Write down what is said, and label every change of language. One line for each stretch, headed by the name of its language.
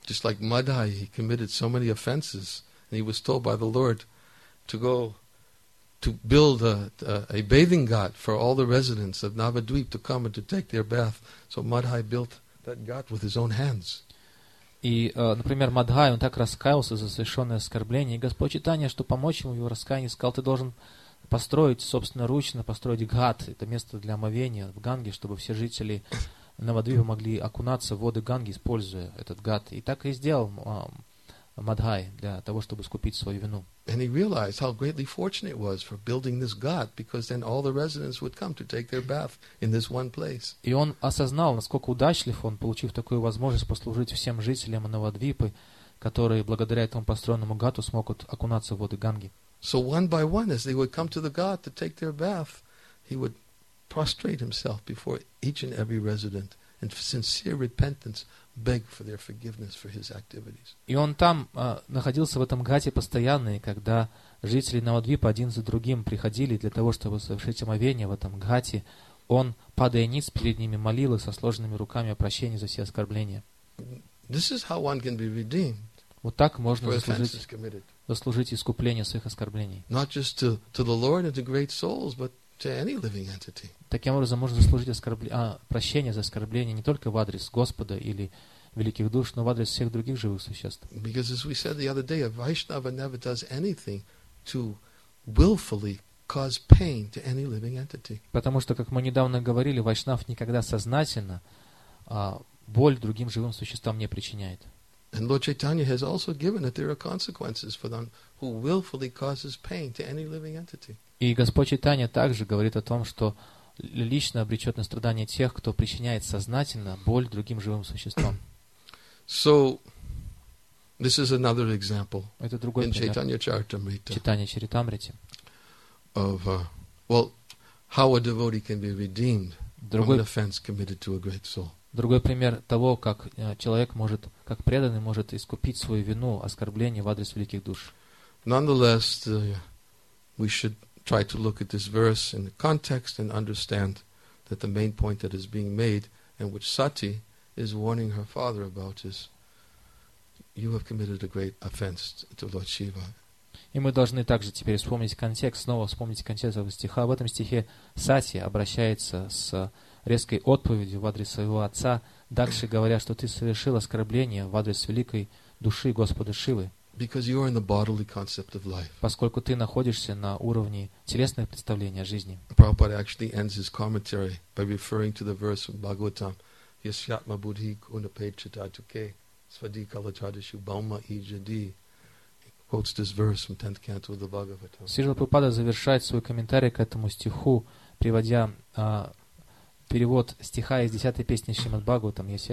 English: Just like Madhai, he committed so many offenses, and he was told by the Lord to go to build a bathing ghat for all the residents of Navadvip to come and to take their bath. So Madhai built that ghat with his own hands.
Russian: И, например, Мадхай, он так раскаялся за совершенное оскорбление, и Господь Чайтанья, чтобы помочь ему в его раскаянии, сказал, ты должен построить, собственноручно построить гхат, это место для омовения в Ганге, чтобы все жители Навадвипа могли окунаться в воды Ганги, используя этот гхат. И так и сделал Мадхай для того, чтобы искупить свою вину.
English: And he realized how greatly fortunate it was for building this ghat, because then all the residents would come to take their bath in this one place.
Russian: И он осознал, насколько удачлив он, получив такую возможность послужить всем жителям Навадвипы, которые благодаря этому построенному гату смогут окунаться в воды Ганги.
English: So one by one, as they would come to the ghat to take their bath, he would prostrate himself before each and every resident in sincere repentance. Beg for their forgiveness for his activities.
Russian: И он там находился в этом гате постоянно, и когда жители Навадвипа один за другим приходили для того, чтобы совершить омовение в этом гате, он, падая ниц перед ними, молил их со сложенными руками о прощении за все оскорбления.
English: This is how one can be redeemed.
Russian: Вот так можно заслужить искупление своих оскорблений.
English: Not just to the Lord and to great souls, but to any living entity.
Russian: Таким образом можно заслужить прощение за оскорбление не только в адрес Господа или великих душ, но в адрес всех других живых существ.
English: Because as we said the other day, a Vaishnava never does anything to willfully cause pain to any living entity.
Russian: Потому что, как мы недавно говорили, вайшнав никогда сознательно боль другим живым существам не причиняет.
English: And Lord Chaitanya has also given that there are consequences for them who willfully causes pain to any living entity.
Russian: И Господь Чайтанья также говорит о том, что лично обречет на страдания тех, кто причиняет сознательно боль другим живым существам.
English: So, this is another example.
Russian: Это другой пример.
English: In Chaitanya Charitamrita. Of, well, how a devotee can be redeemed from an offense committed to a great soul.
Russian: Другой пример того, как человек может, как преданный может искупить свою вину, оскорбление в адрес великих душ.
English: Nonetheless, we should try to look at this verse in the context and understand that the main point that is being made and which Sati is warning her father about is you have committed a great offense to Lord Shiva.
Russian: И мы должны также теперь вспомнить контекст, снова вспомнить контекст этого стиха. В этом стихе Сати обращается с резкой отповедью в адрес своего отца, дальше говоря, что ты совершил оскорбление в адрес великой души Господа Шивы.
English: Because you are in the bodily concept of life.
Russian: Поскольку ты находишься на уровне телесных представлений о жизни.
English: Prabhupada actually ends his commentary by referring to the verse from Bhagavatam.
Sanskrit: Yasyatma buddhi kunapechitatuke svadikalachadishu bhauma ijadi.
English: Quotes this verse from 10th canto of the Bhagavatam.
Russian: Сирила Прабхупада завершает свой комментарий к этому стиху, приводя перевод стиха из 10-й песни Шримад Бхагаватам.